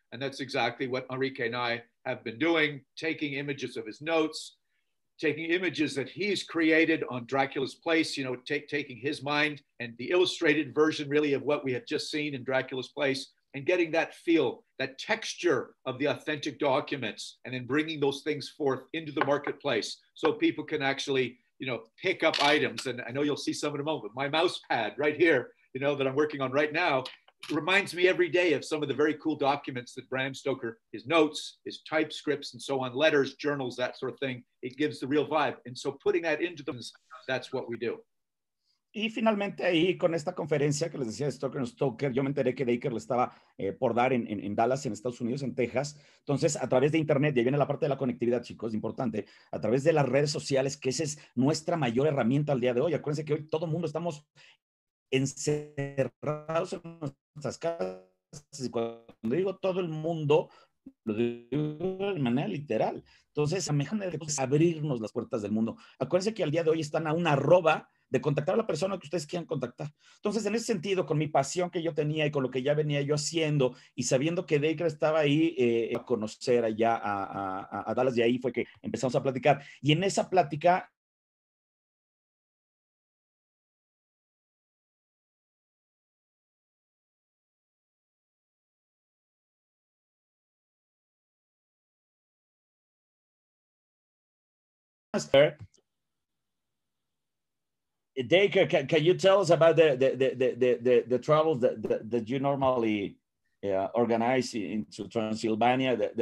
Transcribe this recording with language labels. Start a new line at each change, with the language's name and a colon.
English: And that's exactly what Enrique and I have been doing, taking images of his notes, taking images that he's created on Dracula's Place, you know, taking his mind and the illustrated version really of what we have just seen in Dracula's Place, and getting that feel, that texture of the authentic documents, and then bringing those things forth into the marketplace so people can actually, you know, pick up items. And I know you'll see some in a moment, but my mouse pad right here, you know, that I'm working on right now, reminds me every day of some of the very cool documents that Bram Stoker, his notes, his typescripts and so on, letters, journals, that sort of thing. It gives the real vibe. And so putting that into them, that's what we do.
Spanish: Y finalmente ahí con esta conferencia que les decía de Stoker & Stoker, yo me enteré que Dacre le estaba por dar en Dallas, en Estados Unidos, en Texas. Entonces, a través de internet, y ahí viene la parte de la conectividad, chicos, importante, a través de las redes sociales, que esa es nuestra mayor herramienta al día de hoy. Acuérdense que hoy todo el mundo estamos encerrados en nuestras casas. Y cuando digo todo el mundo, lo digo de manera literal. Entonces, la mejor manera es abrirnos las puertas del mundo. Acuérdense que al día de hoy están a una arroba de contactar a la persona que ustedes quieran contactar. Entonces, en ese sentido, con mi pasión que yo tenía y con lo que ya venía yo haciendo y sabiendo que Dacre estaba ahí a conocer allá a Dallas, y ahí fue que empezamos a platicar. Y en esa plática,
English: Dacre, can you tell us about the travels that you normally organize into Transylvania,